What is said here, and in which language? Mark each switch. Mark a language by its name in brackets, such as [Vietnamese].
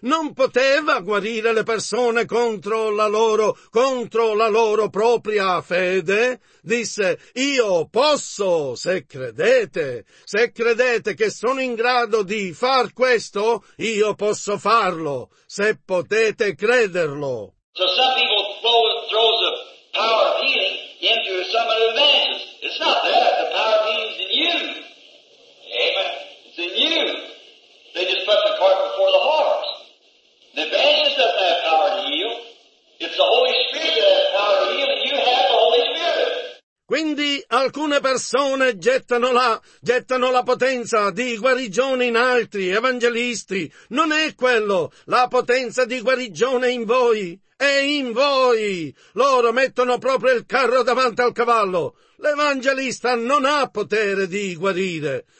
[Italian] Non poteva guarire le persone contro la loro propria fede. Disse, io posso, se credete che sono in grado di far questo, io posso farlo, se potete crederlo. [English] So some people throws a power of healing into of evangelists. It's not there. The power of healing is in you. Amen. It's in you. They just put the cart before the horse. The evangelist doesn't have power to heal. It's the Holy Spirit that has power to heal, and you have the Holy Spirit. [Italian] Quindi alcune persone gettano la potenza di guarigione in altri evangelisti. Non è quello la potenza di guarigione in voi, è in voi. Loro mettono proprio il carro davanti al cavallo. L'evangelista non ha potere di guarire.